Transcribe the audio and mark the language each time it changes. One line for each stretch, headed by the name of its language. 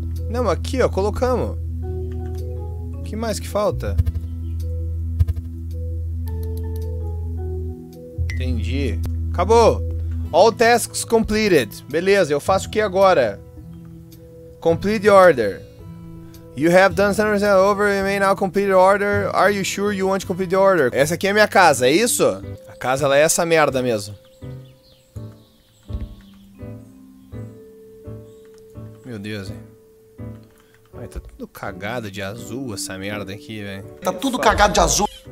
Portuguese: Não, aqui, ó, colocamos. O que mais que falta? Entendi. Acabou.
English: All tasks completed.
Portuguese: Beleza, eu faço o que agora?
English: Complete the order. You have done something over, you may now complete the order. Are you sure you want to complete the order?
Portuguese: Essa aqui é minha casa, é isso? A casa, ela é essa merda mesmo. Meu Deus, hein. Ai, tá tudo cagado de azul essa merda aqui, velho. Tá tudo cagado de azul.